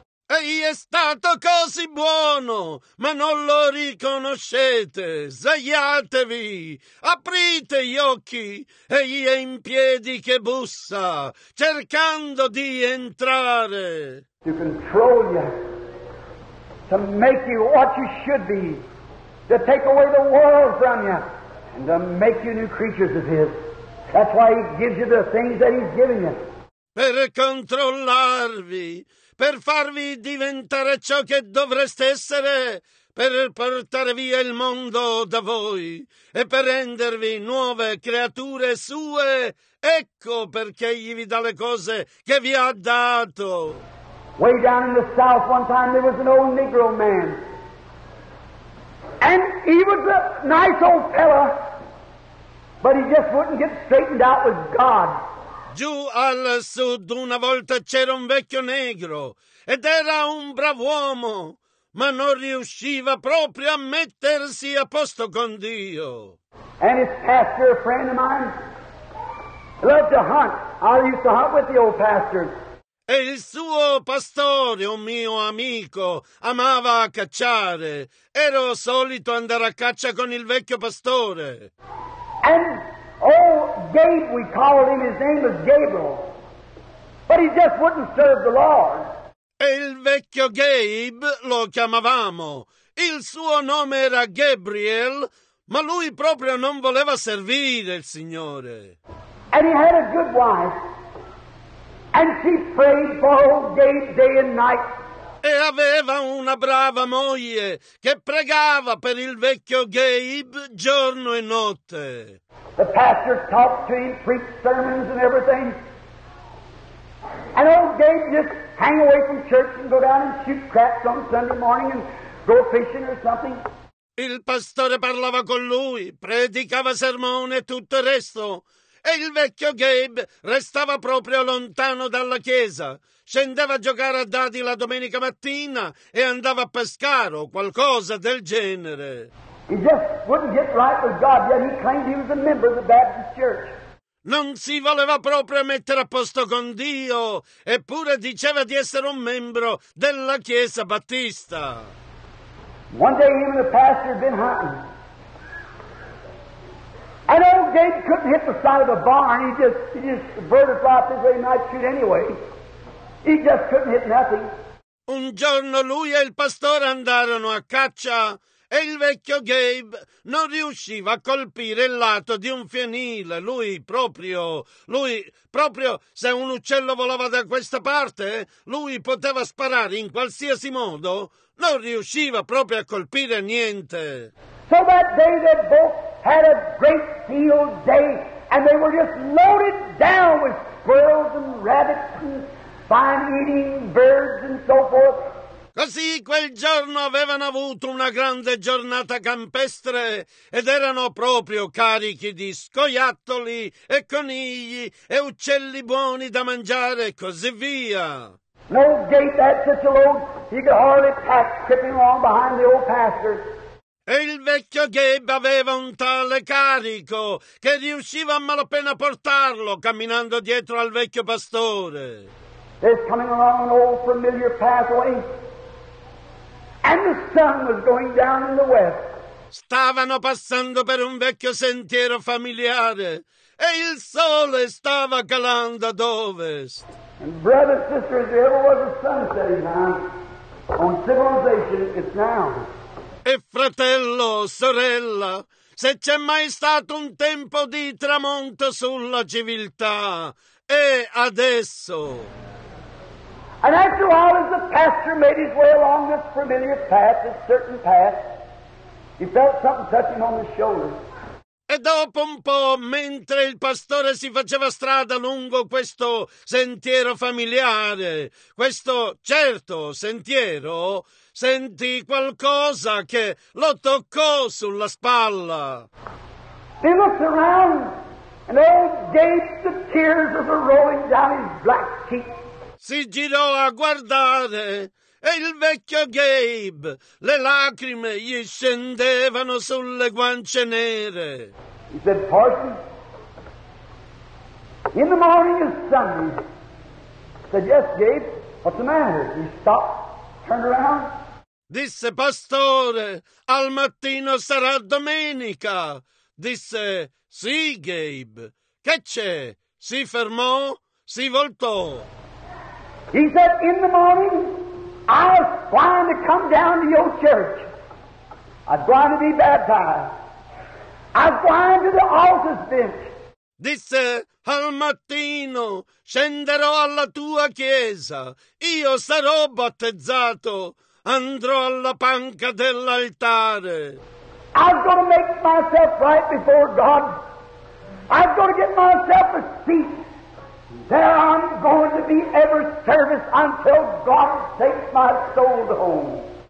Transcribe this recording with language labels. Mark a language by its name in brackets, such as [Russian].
[Italian] Egli è stato così buono, ma non lo riconoscete. Svegliatevi, aprite gli occhi. Egli è in piedi che bussa, cercando di entrare. [English] To control you, to make you what you should be, to take away the world from you, and to make you new creatures of his. That's why he gives you the things that he's giving you. [Italian] Per controllarvi, per farvi diventare ciò che dovreste essere, per portare via il mondo da voi e per rendervi nuove creature sue, ecco perché egli vi dà le cose che vi ha dato. [English] Way down in the south one time there was an old negro man. And he was a nice old fella, but he just wouldn't get straightened out with God. [Italian] Giù al sud una volta c'era un vecchio negro ed era un brav'uomo, ma non riusciva proprio a mettersi a posto con Dio. [English] And his pastor, a friend of mine, loved to hunt. I used to hunt with the old pastor. [Italian] E il suo pastore, un mio amico, amava cacciare. Ero solito andare a caccia con il vecchio pastore. [English] And oh, Gabe, we called him. His name was Gabriel. But he just wouldn't serve the Lord. [Italian] E il vecchio Gabe lo chiamavamo. Il suo nome era Gabriel, ma lui proprio non voleva servire il Signore. [English] And he had a good wife. And she prayed for old Gabe day and night. [Italian] E aveva una brava moglie che pregava per il vecchio Gabe giorno e notte. [English] The pastor talked to him, preached sermons and everything. And old Gabe just hang away from church and go down and shoot craps on Sunday morning and go fishing or something. [Italian] Il pastore parlava con lui, predicava sermone e tutto il resto. E il vecchio Gabe restava proprio lontano dalla chiesa. Scendeva a giocare a dadi la domenica mattina e andava a pescare o qualcosa del genere. [English] He just wouldn't get right with God, yet he claimed he was a member of the Baptist Church. [Italian] Non si voleva proprio mettere a posto con Dio, eppure diceva di essere un membro della Chiesa Battista. [English] One day even the pastor had been hunting. And old Gabe couldn't hit the side of the barn. He just the bird would fly up this way and I'd shoot anyway. He just couldn't hit nothing. [Italian] Un giorno lui e il pastore andarono a caccia e il vecchio Gabe non riusciva a colpire il lato di un fienile. Lui proprio se un uccello volava da questa parte, lui poteva sparare in qualsiasi modo, non riusciva proprio a colpire niente. [English] So that day they both had a great field day and they were just loaded down with squirrels and rabbits and fine eating birds and so forth. [Italian] Così quel giorno avevano avuto una grande giornata campestre ed erano proprio carichi di scoiattoli e conigli e uccelli buoni da mangiare e così via. [English] No gate that such a load, he could hardly pass tripping along behind the old pastor. [Italian] E il vecchio Gabe aveva un tale carico che riusciva a malapena portarlo camminando dietro al vecchio pastore. [English] This coming along an old familiar pathway, and the sun was going down in the west. [Italian] Stavano passando per un vecchio sentiero familiare e il sole stava calando ad ovest. [English] And brother, sister, if there ever was a sunset on civilization, it's now. [Italian] E fratello, sorella, se c'è mai stato un tempo di tramonto sulla civiltà, è adesso. [English] And after a while, as the pastor made his way along this familiar path, this certain path, he felt something touching on his shoulder. [Italian] E dopo un po', mentre il pastore si faceva strada lungo questo sentiero familiare, questo certo sentiero, sentì qualcosa che lo toccò sulla spalla. [English] He looked around, and old Gabe, the tears were rolling down his black cheeks. [Italian] Si girò a guardare, e il vecchio Gabe, le lacrime gli scendevano sulle guance nere. [English] He said, "Parson, in the morning is Sunday." He said, "Yes, Gabe, what's the matter?" He stopped, turned around. [Italian] Disse, "Pastore, al mattino sarà domenica." Disse, "Sì, Gabe, che c'è?" Si fermò, si voltò. [English] He said, "In the morning, I was going to come down to your church. I was going to be baptized. I was going to the altar's bench." [Italian] Disse, "Al mattino scenderò alla tua chiesa. Io sarò battezzato. Andrò alla panca dell'altare." [English] "I was going to make myself right before God. I was going to get myself a seat. There I'm going to be every service until God takes my soul home."